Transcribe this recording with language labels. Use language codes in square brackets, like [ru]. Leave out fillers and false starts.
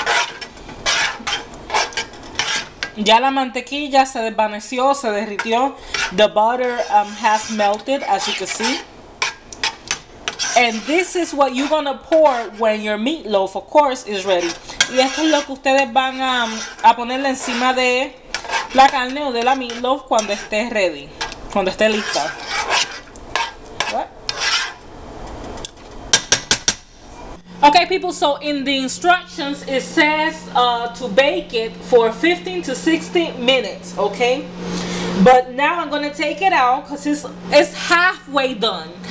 [es] Okay. Ya la mantequilla se desvaneció, se derritió. [en] The butter has melted, as you can see. And this is what you're gonna pour when your meatloaf, of course, is ready. [es] Y esto es lo que ustedes van a ponerle encima de la carne o de la meatloaf cuando esté ready, cuando esté lista. [en] What? Okay, people, so in the instructions it says to bake it for 15 to 60 minutes, okay? But now I'm going to take it out because it's halfway done.